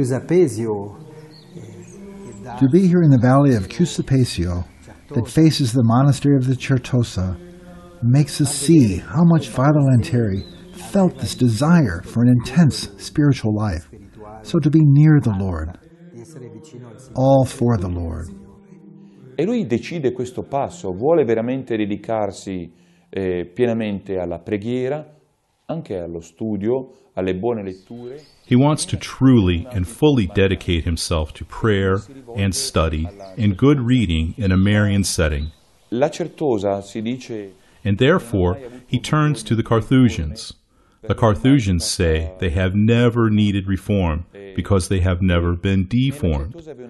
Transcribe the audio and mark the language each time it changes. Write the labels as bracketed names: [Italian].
[English] To be here in the valley of Cusapesio that faces the monastery of the Certosa makes us see how much Father Lanteri felt this desire for an intense spiritual life. So to be near the Lord, all for the Lord. [Italian] E lui decide questo passo, vuole veramente dedicarsi pienamente alla preghiera, anche allo studio, alle buone letture. [English] He wants to truly and fully dedicate himself to prayer and study and good reading in a Marian setting. [Italian] La certosa si dice. [English] And therefore, he turns to the Carthusians. The Carthusians say they have never needed reform because they have never been deformed.